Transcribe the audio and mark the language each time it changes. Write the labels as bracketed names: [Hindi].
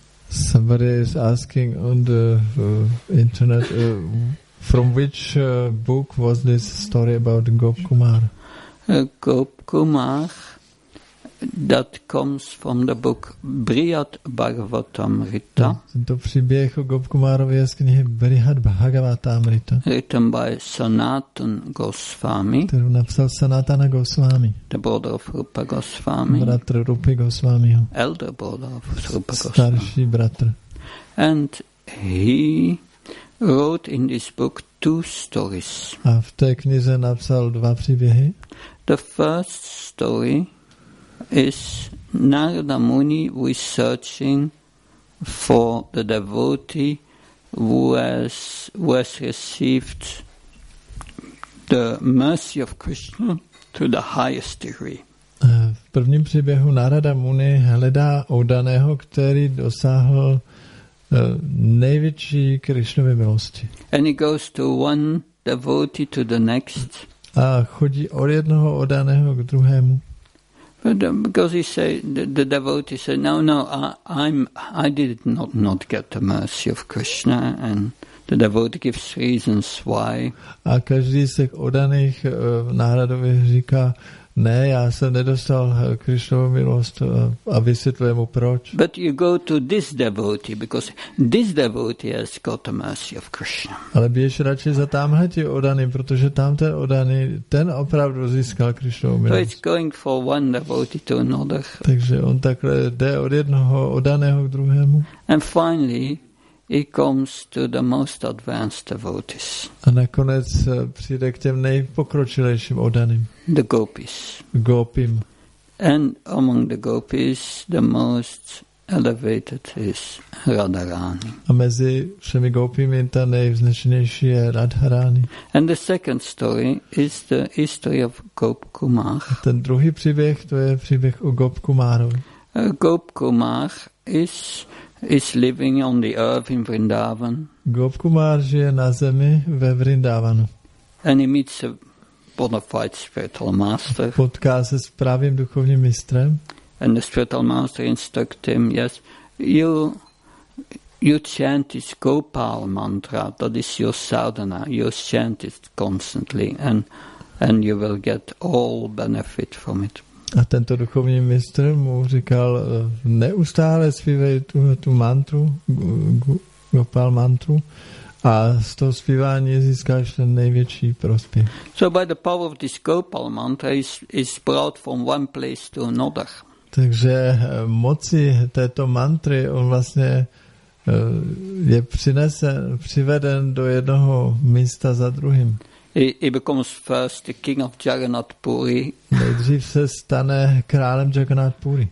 [English] Somebody is asking on the internet from which book was this story about Gop Kumar? Gop Kumar, that comes from the book Brihat Bhagavatamrita. [Czech] To příběh o Gop Kumarovi je z knihy Brihat Bhagavatamrita. [English] Written by Sanatan Goswami. [Czech] Kterou napsal Sanatana Goswami. [English] The brother of Rupa Goswami. [Czech] Bratr Rupy Goswamiho. [English] Elder brother of Rupa [Czech] Goswami. Starší bratr. [English] And he wrote in this book two stories. [Czech] A v té knize napsal dva příběhy. [English] The first story is Narada Muni who is searching for the devotee who has received the mercy of Krishna to the highest degree. [Czech] V prvním příběhu Narada Muni hledá oddaného, který dosáhl největší Krishnovy milosti. [English] And he goes to one devotee to the next. [Czech] A chodí od jednoho oddaného k druhému. [English] Because he say the devotee said, I did not get the mercy of Krishna, and the devotee gives reasons why. [Czech] A každý z těch odaných náhradově říká, ne, já jsem nedostal Krišnovu milost a vysvětluje mu proč. [English] But you go to this devotee because this devotee has got the mercy of Krishna. [Czech] Ale běž radši za tamhle tím odaným, protože tamten odaný, ten opravdu získal Krišnovu milost. [English] So it's going for one devotee to another. [Czech] Takže on takhle jde od jednoho odaného k druhému. [English] And finally, he comes to the most advanced devotees. [Czech] A nakonec přijde k těm nejpokročilejším odaným. [English] The gopis. [Czech] Gopim. [English] And among the gopis, the most elevated is Radharani. [Czech] A mezi všemi gopimi ta nejvznešenější je Radharani. [English] And the second story is the history of Gop Kumar. [Czech] A ten druhý příběh, to je příběh o Gop Kumarovi. [English] Gop Kumar is living on the earth in Vrindavan. [Czech] Gop Kumar žije na zemi ve Vrindavanu. [English] And he meets a bona fide spiritual master. [Czech] Potká se s pravým duchovním mistrem. [English] And the spiritual master instructs him, yes, you chant this Gopal mantra, that is your sadhana, you chant it constantly, and you will get all benefit from it. [Czech] A tento duchovní mistr mu říkal, neustále zpívej tu mantru, Gopal mantru, a z toho zpívání získáš ten největší prospěch. [English] So by the power of this Gopal mantra is brought from one place to another. [Czech] Takže moci této mantry, on vlastně je přiveden do jednoho místa za druhým. [English] He becomes first the king of Jagannath Puri. [Czech] Nejdřív se stane králem Jagannath Puri.